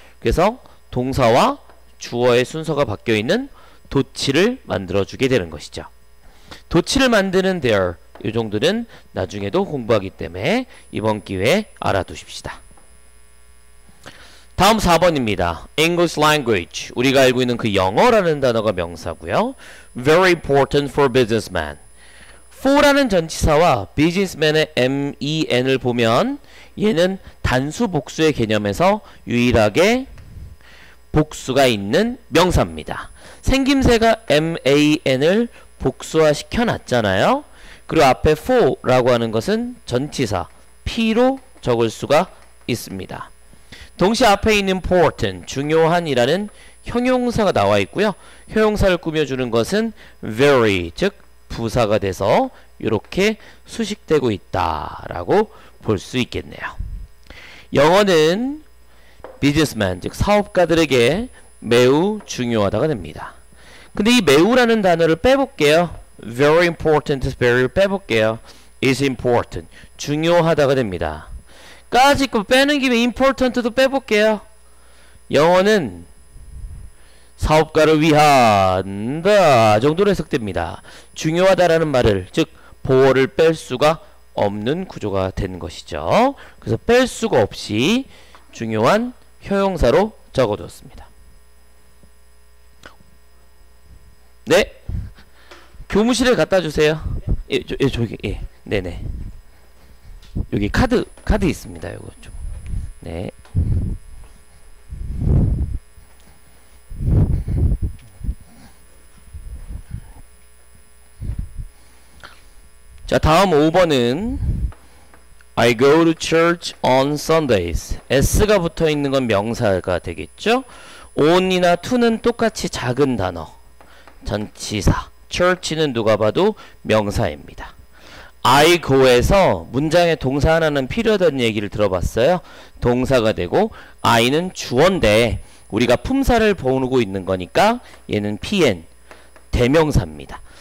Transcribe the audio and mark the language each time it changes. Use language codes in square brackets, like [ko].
[ko] 그래서 동사와 주어의 순서가 바뀌어 있는 도치를 만들어 주게 되는 것이죠. 도치를 만드는 there 이 정도는 나중에도 공부하기 때문에 이번 기회에 알아두십시다. 다음 4번입니다. [en] English language. [ko] 우리가 알고 있는 그 영어라는 단어가 명사고요. [en] Very important for businessman. [ko] for라는 전치사와 businessman의 men을 보면 얘는 단수 복수의 개념에서 유일하게 복수가 있는 명사입니다. 생김새가 man을 복수화 시켜놨잖아요. 그리고 앞에 for라고 하는 것은 전치사 p로 적을 수가 있습니다. 동시에 앞에 있는 important, 중요한이라는 형용사가 나와 있고요. 형용사를 꾸며주는 것은 very, 즉 부사가 돼서 이렇게 수식되고 있다라고 볼수 있겠네요. 영어는 businessman, 즉 사업가들에게 매우 중요하다가 됩니다. 근데 이 매우라는 단어를 빼볼게요. [en] Very important, very [ko] 빼볼게요. [en] Is important, [ko] 중요하다가 됩니다. 까짓 거 빼는 김에 important도 빼볼게요. 영어는 사업가를 위한다 정도로 해석됩니다. 중요하다라는 말을, 즉 보어를 뺄 수가 없는 구조가 된 것이죠. 그래서 뺄 수가 없이 중요한 형용사로 적어두었습니다. 네. 교무실에 갖다 주세요. 네. 예, 예, 저기, 예. 네네. 여기 카드 있습니다. 요거 좀. 네. 자, 다음 5번은 [en] I go to church on Sundays. [ko] S가 붙어 있는 건 명사가 되겠죠? on이나 to는 똑같이 작은 단어. 전치사. church는 누가 봐도 명사입니다. I go에서 문장에 동사 하나는 필요하다는 얘기를 들어봤어요. 동사가 되고 I는 주어인데 우리가 품사를 보고 있는 거니까 얘는 PN, 대명사입니다.